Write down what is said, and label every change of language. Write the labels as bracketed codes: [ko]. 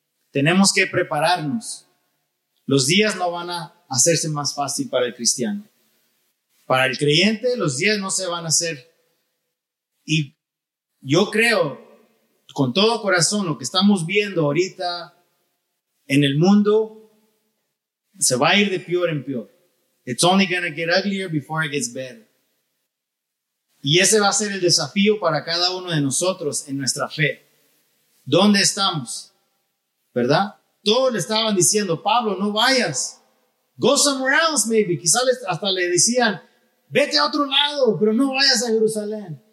[es] Tenemos que prepararnos. Los días no van a hacerse más fácil para el cristiano. Para el creyente, los días no se van a hacer. Y yo creo con todo corazón lo que estamos viendo ahorita en el mundo se va a ir de peor en peor. [en] It's only going to get uglier before it gets better. [es] Y ese va a ser el desafío para cada uno de nosotros en nuestra fe. ¿Dónde estamos? ¿Verdad? Todos le estaban diciendo, Pablo, no vayas. [en] Go somewhere else, maybe. [es] Quizás hasta le decían, vete a otro lado, pero no vayas a Jerusalén.